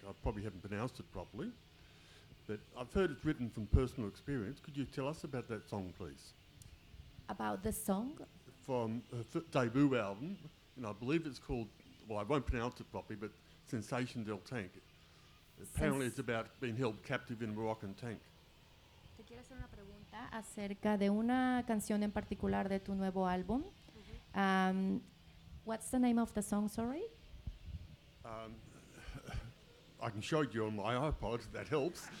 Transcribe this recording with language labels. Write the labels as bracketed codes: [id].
[en] I probably haven't pronounced it properly, but I've heard it's written from personal experience. Could you tell us about that song, please? About the song? From a debut album, and I believe it's called, well, I won't pronounce it properly, but Sensation del Tank. Apparently it's about being held captive in a Moroccan tank. [es] Te quiero hacer una pregunta acerca de una canción en particular de tu nuevo álbum. Mm-hmm. [en] What's the name of the song, sorry? I can show you on my iPod, if that helps.